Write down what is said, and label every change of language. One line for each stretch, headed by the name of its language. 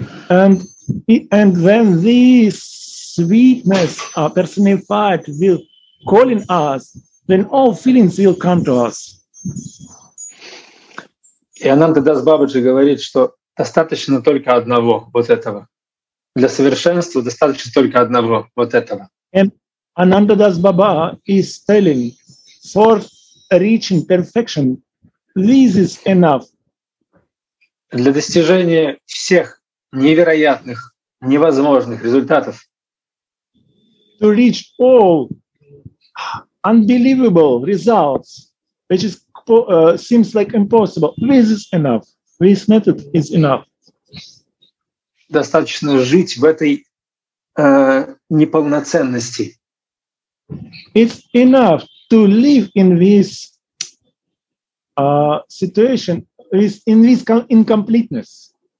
English: And when this sweetness personified will call in us, then all feelings will come to us.
Russian: И Ананта Дас Бабаджи говорит, что достаточно только одного вот этого. Для совершенства достаточно только одного вот этого.
English: And Ananda Das Baba is telling, for reaching perfection, this is enough.
Russian: Для достижения всех невероятных, невозможных результатов.
English: To reach all unbelievable results, which is seems like impossible. This is enough. This method is enough.
Russian: Достаточно жить в этой неполноценности.
English: It's enough to live in this situation, in this incompleteness.